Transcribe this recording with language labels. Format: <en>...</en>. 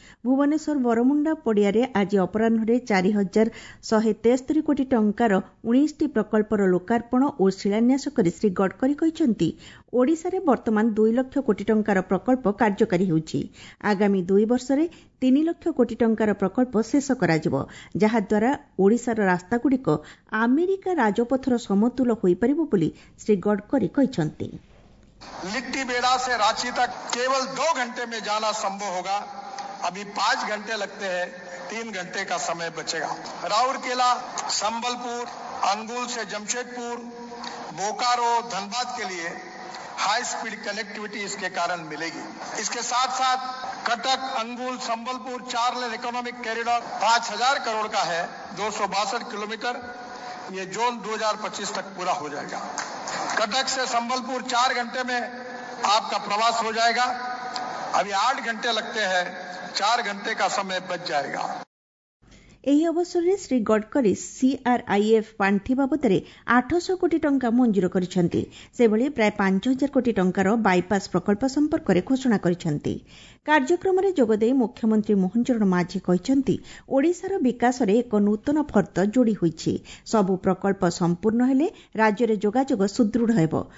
<or>ଭୁବନେଶ୍ୱର ବରମୁଣ୍ଡା ପଡ଼ିଆରେ ଆଜି ଅପରାହ୍ନରେ 4,173 କୋଟି ଟଙ୍କାର 19 ପ୍ରକଳ୍ପର ଲୋକାର୍ପଣ ଓ ଶିଳାନ୍ୟାସ କରି ଶ୍ରୀ ଗଡ଼କରୀ କହିଛନ୍ତି, ଓଡ଼ିଶାରେ ବର୍ତ୍ତମାନ 2,00,000 କୋଟି ଟଙ୍କାର ପ୍ରକଳ୍ପ କାର୍ଯ୍ୟକାରୀ ହେଉଛି। ଆଗାମୀ 2 ବର୍ଷରେ 3,00,000 କୋଟି ଟଙ୍କାର ପ୍ରକଳ୍ପ ଶେଷ କରାଯିବ, ଯାହାଦ୍ୱାରା ଓଡ଼ିଶାର ରାସ୍ତାଗୁଡ଼ିକ ଆମେରିକା ରାଜପଥର ସମତୁଲ ହୋଇପାରିବ ବୋଲି ଶ୍ରୀ ଗଡ଼କରୀ କହିଛନ୍ତି।</or> <hi>लिट्टी बेड़ा से रांची तक केवल 2 में जाना संभव होगा, अभी 5 लगते हैं, 3 का समय बचेगा। राउरकेला, संबलपुर, अंगुल से जमशेदपुर, बोकारो, धनबाद के लिए हाई स्पीड कनेक्टिविटी इसके कारण मिलेगी। इसके साथ साथ कटक, अंगुल, संबलपुर 4 लेन इकोनॉमिक कॉरिडोर 5,000 करोड़ का है, 262 किलोमीटर, ये जोन 2025 तक पूरा हो जाएगा। कटक से संबलपुर 4 में आपका प्रवास हो जाएगा, अभी 8 लगते हैं, 4 का समय बच जाएगा।</hi> <or>ଏହି ଅବସରରେ ଶ୍ରୀ ଗଡ଼କରୀ ସିଆର୍ଆଇଏଫ୍ ପାଣ୍ଠି ବାବଦରେ 800 କୋଟି ଟଙ୍କା ମଞ୍ଜୁର କରିଛନ୍ତି। ସେଭଳି ପ୍ରାୟ 5,000 କୋଟି ଟଙ୍କାର ବାଇପାସ୍ ପ୍ରକଳ୍ପ ସମ୍ପର୍କରେ ଘୋଷଣା କରିଛନ୍ତି। କାର୍ଯ୍ୟକ୍ରମରେ ଯୋଗଦେଇ ମୁଖ୍ୟମନ୍ତ୍ରୀ ମୋହନ ଚରଣ ମାଝି କହିଛନ୍ତି, ଓଡ଼ିଶାର ବିକାଶରେ ଏକ ନୂତନ ଫର୍ତ୍ତ ଯୋଡ଼ି ହୋଇଛି, ସବୁ ପ୍ରକଳ୍ପ ସମ୍ପୂର୍ଣ୍ଣ ହେଲେ ରାଜ୍ୟରେ ଯୋଗାଯୋଗ ସୁଦୃଢ଼ ହେବ।</or>